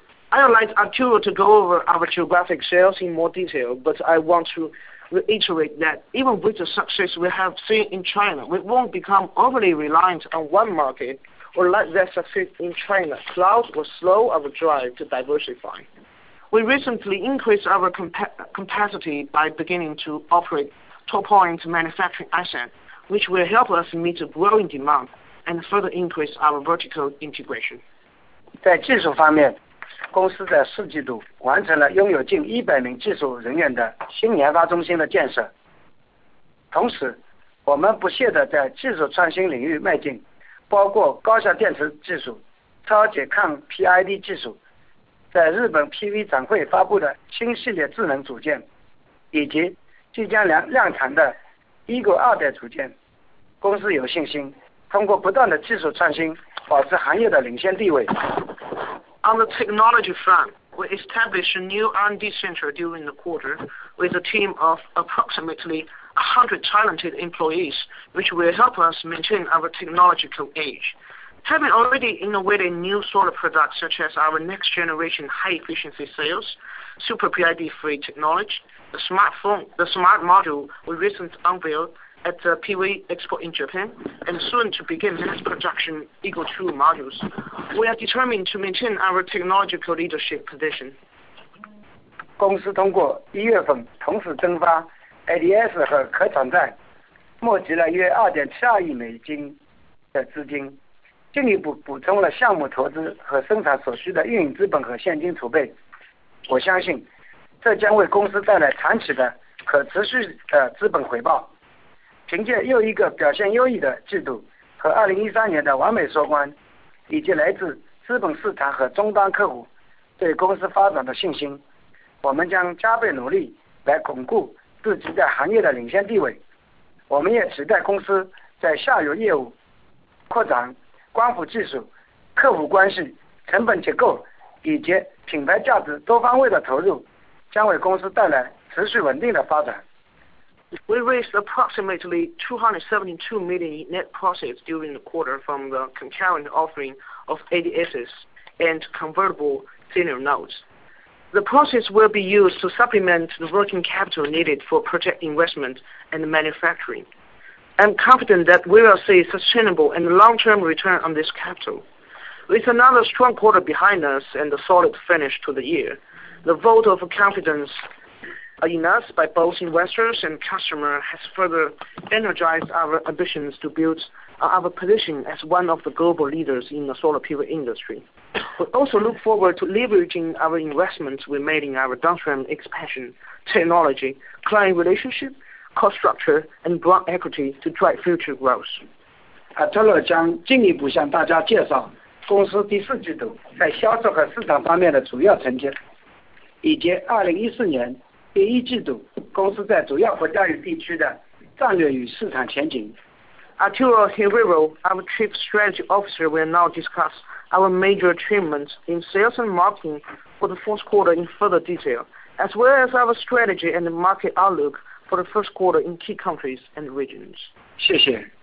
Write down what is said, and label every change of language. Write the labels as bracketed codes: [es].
[en] I'd like Arturo to go over our geographic sales in more detail, but I want to reiterate that even with the success we have seen in China, we won't become overly reliant on one market or let that success in China cloud or slow our drive to diversify. We recently increased our capacity by beginning to operate top-point manufacturing assets, which will help us meet the growing demand and further increase our vertical integration. [zh] 在技术方面，公司在四季度完成了拥有近100名技术人员的新研发中心的建设。同时，我们不懈地在技术创新领域迈进，包括高效电池技术、超解抗 PID 技术、在日本 PV 展会发布的新系列智能组件，以及即将量产的 Eagle 二代组件。公司有信心，通过不断的技术创新，保持行业的领先地位。 [en] On the technology front, we established a new R&D center during the quarter with a team of approximately 100 talented employees, which will help us maintain our technological edge. Having already innovated new solar products such as our next generation high efficiency cells, super PID free technology, the smart module we recently unveiled at the PV Expo in Japan, and soon to begin mass production Eagle 2 modules, we are determined to maintain our technological leadership position. [zh] 公司通过一月份同时增发 ADS 和可转债，募集了约$2.72亿的资金，进一步补充了项目投资和生产所需的运营资本和现金储备。我相信，这将为公司带来长期的可持续的资本回报。凭借又一个表现优异的季度和2013年的完美收官，以及来自资本市场和终端客户对公司发展的信心，我们将加倍努力来巩固自己在行业的领先地位。我们也期待公司在下游业务扩展、光伏技术、客户关系、成本结构以及品牌价值多方位的投入，将为公司带来持续稳定的发展。 [en] We raised approximately $272 million in net proceeds during the quarter from the concurrent offering of ADSs and convertible senior notes. The proceeds will be used to supplement the working capital needed for project investment and manufacturing. I'm confident that we will see sustainable and long-term return on this capital. With another strong quarter behind us and a solid finish to the year, the vote of confidence in us by both investors and customers has further energized our ambitions to build our position as one of the global leaders in the solar PV industry. We also look forward to leveraging our investments we made in our downstream expansion, technology, client relationship, cost structure, and broad equity to drive future growth. [zh] Arturo 将进一步向大家介绍公司第四季度在销售和市场方面的主要成绩，以及2014年第一季度公司在主要国家与地区的战略与市场前景。 [en] Arturo Herrero, our Chief Strategy Officer, will now discuss our major achievements in sales and marketing for the fourth quarter in further detail, as well as our strategy and market outlook for the first quarter in key countries and regions. [zh] 谢谢。